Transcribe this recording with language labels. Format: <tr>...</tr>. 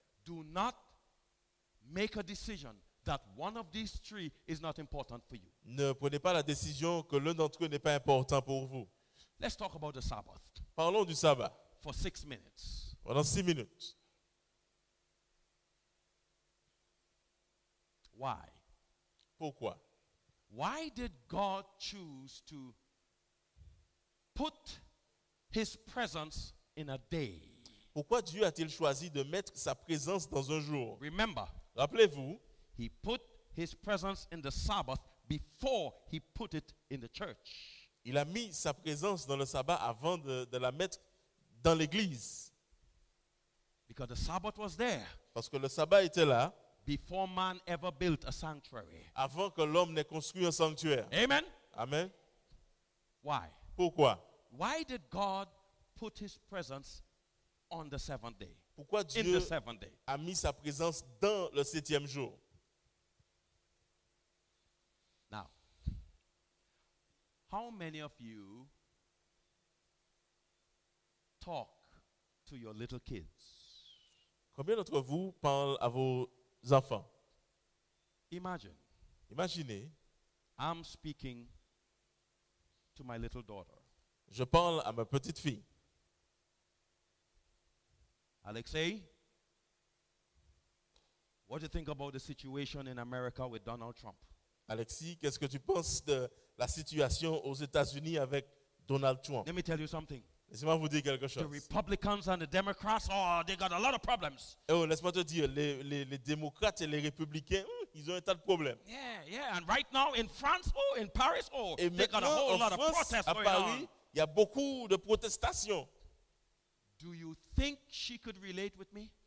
<en>Do not make a decision that one of these three is not important for you.</en> <fr>Ne prenez pas la décision que l'un d'entre eux n'est pas important pour vous.</fr> <en>Let's talk about the Sabbath.</en> <fr>Parlons du sabbat.</fr> <en>For 6 minutes.</en> <fr>Pendant 6 minutes.</fr> <en>Why?</en> <fr>Pourquoi?</fr> <en>Why did God choose to put His presence in a day.</en> <fr>Pourquoi Dieu a-t-il choisi de mettre sa présence dans un jour?</fr> <en>Remember,</en> <fr>rappelez-vous,</fr> <en>He put His presence in the Sabbath before He put it in the church.</en> <fr>Il a mis sa présence dans le sabbat avant de la mettre dans l'église.</fr> <en>Because the Sabbath was there.</en> <fr>Parce que le sabbat était là.</fr> <en>Before man ever built a sanctuary.</en> <fr>Avant que l'homme n'ait construit un sanctuaire.</fr> <en>Amen.</en> <fr>Amen.</fr> <en>Why?</en> <fr>Pourquoi?</fr> <en>Why did God put His presence on the seventh day?</en> <fr>Pourquoi Dieu</fr> <en>in the seventh day?</en> <fr>A mis sa présence dans le septième jour?</fr> <en>Now, how many of you talk to your little kids?</en> <fr>Combien d'entre vous parlent à vos enfants?</fr> <en>Imagine.</en> <fr>Imaginez.</fr> <en>I'm speaking to my little daughter.</en> <fr>Je parle à ma petite fille.</fr> <en>Alexei, what do you think about the situation in America with Donald Trump?</en> <fr>Alexis, qu'est-ce que tu penses de la situation aux États-Unis avec Donald Trump?</fr> <en>Let me tell you something.</en> <fr>Laissez-moi vous dire quelque chose.</fr> <en>The Republicans and the Democrats, oh, they got a lot of problems.</en> <fr>Oh, laisse-moi te dire, les démocrates et les républicains. Ils ont un tas de problèmes.</fr> <en>Yeah, and right now in France, oh, in Paris, oh,</en> <fr>et</fr> <en>they got a whole lot</en> <fr>France,</fr> <en>of protests</en> <fr>à Paris,</fr> <en>going on.</en> <fr>Il y a beaucoup de protestations.</fr> <en>Do you think she could relate with me?</en>